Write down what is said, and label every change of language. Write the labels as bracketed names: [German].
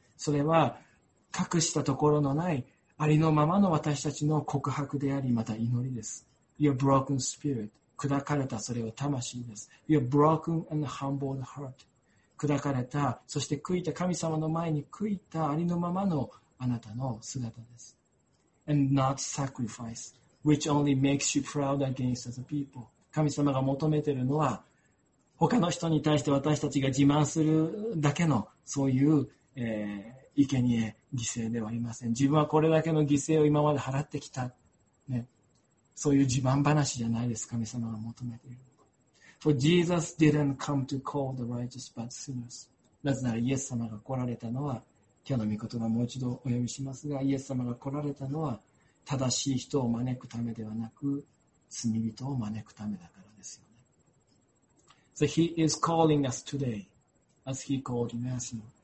[Japanese] それは隠したところのないありのままの私たちの告白であり、また祈りです。 [English] Your broken spirit. [Japanese] 砕かれたそれは魂です。 [English] Your broken and humbled heart. [Japanese] 砕かれた、そして悔いた、神様の前に悔いたありのままのあなたの姿です。 [English] And not sacrifice, which only makes you proud against other people. [Japanese] 神様が求めているのは、他の人に対して私たちが自慢するだけの、そういう、生贄、犠牲ではありません。自分はこれだけの犠牲を今まで払ってきた。ね、そういう自慢話じゃないです、神様が求めている。 [English] For Jesus didn't come to call the righteous but sinners. [Japanese] なぜならイエス様が来られたのは、今日の御言葉もう一度お読みしますが、イエス様が来られたのは、正しい人を招くためではなく、罪人を招くためだからですよね。 [English] So he is calling us today, as he called Matthew.